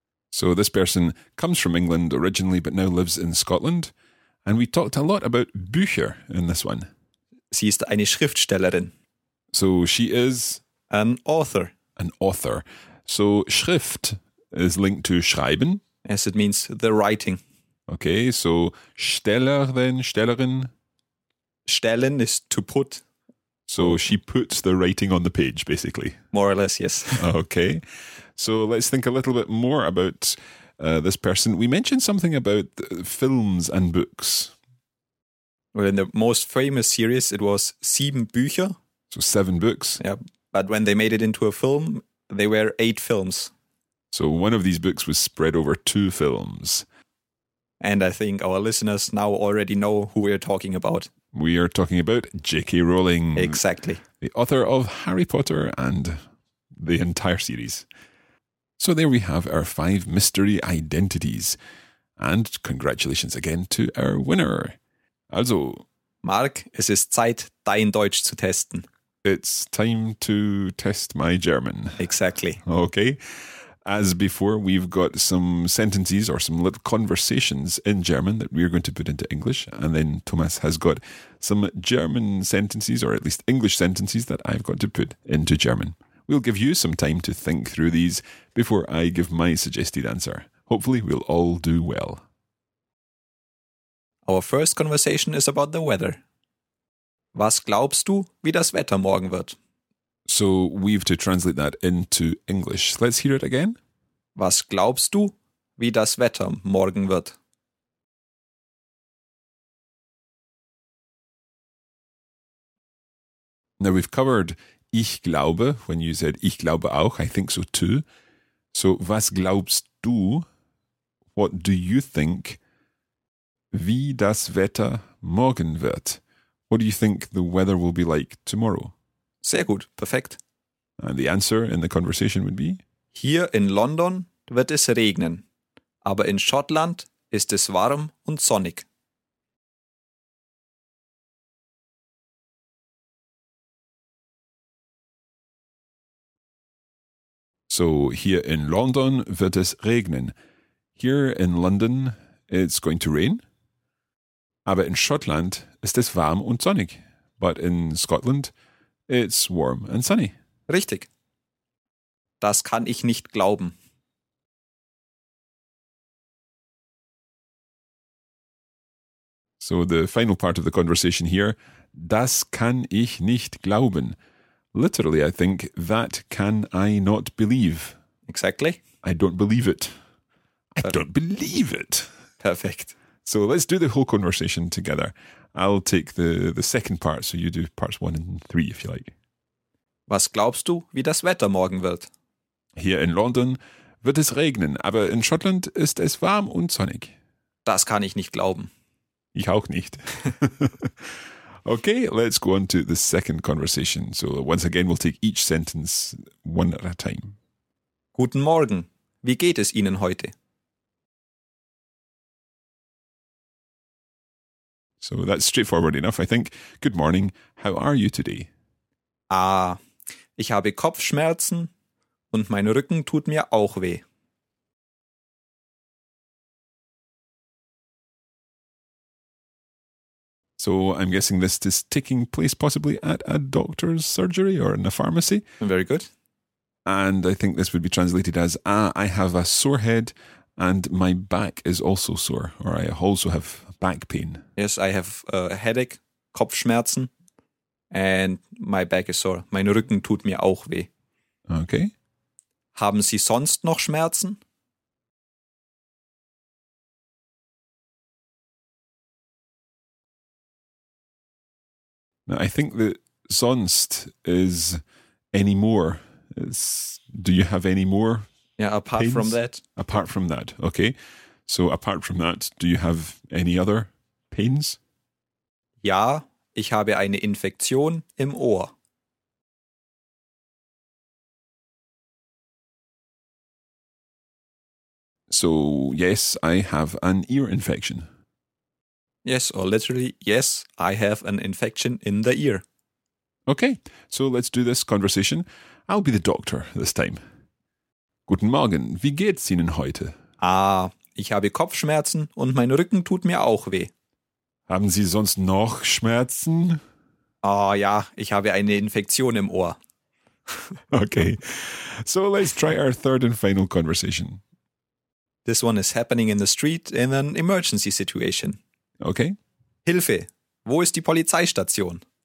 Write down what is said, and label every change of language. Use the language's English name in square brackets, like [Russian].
[English] So this person comes from England originally, but now lives in Scotland. And we talked a lot about Bücher in this one. [German] Sie ist eine Schriftstellerin. [English] So she is an author. An author. So Schrift is linked to schreiben. Yes, it means the writing. Okay, so Steller then, Stellerin. Stellen is to put. So she puts the writing on the page, basically. More or less, yes. Okay. So let's think a little bit more about this person. We mentioned something about films and books. Well, in the most famous series, it was [German] Sieben Bücher. [English] So seven books. Yeah, but when they made it into a film, they were eight films. So one of these books was spread over two films. And I think our listeners now already know who we're talking about. We are talking about J.K. Rowling. Exactly. The author of Harry Potter and the entire series. So there we have our five mystery identities. And congratulations again to our winner. Also, [German] Mark, es ist Zeit, dein Deutsch zu testen. [English] It's time to test my German. Exactly. Okay. As before, we've got some sentences or some little conversations in German that we're going to put into English. And then Thomas has got some German sentences, or at least English sentences, that I've got to put into German. We'll give you some time to think through these before I give my suggested answer. Hopefully we'll all do well. Our first conversation is about the weather. [German] Was glaubst du, wie das Wetter morgen wird? [English] So we've to translate that into English. Let's hear it again. [German] Was glaubst du, wie das Wetter morgen wird? [English] Now we've covered [German] ich glaube, [English] when you said [German] ich glaube auch, [English] I think so too. [German] So was glaubst du, [English] what do you think, [German] wie das Wetter morgen wird? [English] What do you think the weather will be like tomorrow? [German] Sehr gut, perfekt. [English] And the answer in the conversation would be? [German] Hier in London wird es regnen, aber in Schottland ist es warm und sonnig. So, hier in London wird es regnen. [English] Here in London it's going to rain, [German] aber in Schottland ist es warm und sonnig. [English] But in Scotland it's warm and sunny. [German] Richtig. Das kann ich nicht glauben. [English] So the final part of the conversation here, [German] das kann ich nicht glauben. [English] Literally, I think, that can I not believe. Exactly. I don't believe it. I don't believe it. Perfect. So let's do the whole conversation together. I'll take the second part, so you do parts one and three, if you like. [German] Was glaubst du, wie das Wetter morgen wird? Hier in London wird es regnen, aber in Schottland ist es warm und sonnig. Das kann ich nicht glauben. Ich auch nicht. [English] Okay, let's go on to the second conversation. So once again, we'll take each sentence one at a time. [German] Guten Morgen. Wie geht es Ihnen heute? [English] So that's straightforward enough, I think. Good morning. How are you today? [German] Ah, ich habe Kopfschmerzen und mein Rücken tut mir auch weh. [English] So I'm guessing this is taking place possibly at a doctor's surgery or in a pharmacy. Very good. And I think this would be translated as, ah, I have a sore head and my back is also sore, or I also have back pain. Yes, I have a headache, Kopfschmerzen, and my back is sore. [German] Mein Rücken tut mir auch weh. [English] Okay. [German] Haben Sie sonst noch Schmerzen? [English] Now, I think that sonst is any more. It's, do you have any more? Yeah, apart pains? From that. Apart from that, okay. So apart from that, do you have any other pains? [German] Ja, ich habe eine Infektion im Ohr. [English] So, yes, I have an ear infection. Yes, or literally, yes, I have an infection in the ear. Okay, so let's do this conversation. I'll be the doctor this time. [German] Guten Morgen, wie geht's Ihnen heute? Ah, ich habe Kopfschmerzen und mein Rücken tut mir auch weh. Haben Sie sonst noch Schmerzen? Ah, ja, ich habe eine Infektion im Ohr. [English] Okay, so let's try our third and final conversation. This one is happening in the street in an emergency situation. Okay. [German] Hilfe, wo ist die Polizeistation?